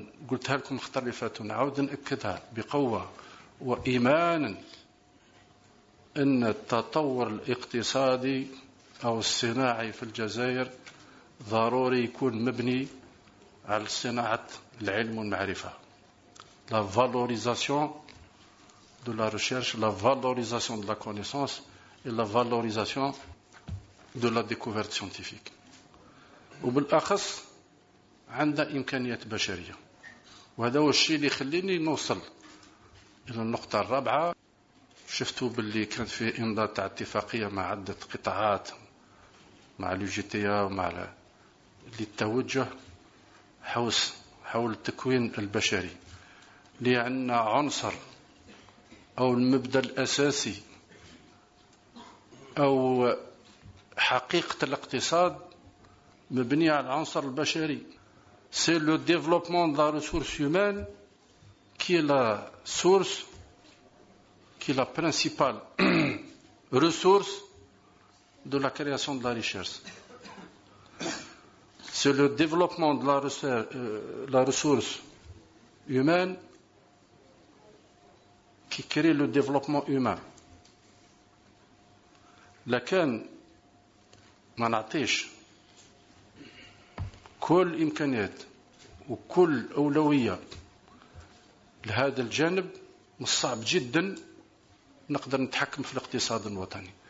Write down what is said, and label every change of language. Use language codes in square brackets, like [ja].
[ar] قلتها لكم مختلفات ونعود نأكدها بقوة وإيمانا أن التطور الاقتصادي أو الصناعي في الجزائر ضروري يكون مبني على صناعة العلم والمعرفة. [fr] La valorisation de la recherche, la valorisation de la connaissance et la valorisation de la découverte scientifique. [ar] وبالأخص عند إمكانية بشرية. وهذا هو الشيء اللي خليني نوصل إلى النقطة الرابعة. شفتوا باللي كان في إمضاء اتفاقية مع عدة قطاعات مع الجيتيا ومع للتوجه حول التكوين البشري. لأن عنصر أو المبدأ الأساسي أو حقيقة الاقتصاد مبني على العنصر البشري. [fr] C'est le développement de la ressource humaine qui est la source, qui est la principale ressource de la création de la richesse. C'est le développement de la ressource humaine qui crée le développement humain. [ar] لكن ما نعطيش كل إمكانيات وكل أولوية لهذا الجانب صعب جدا نقدر نتحكم في الاقتصاد الوطني.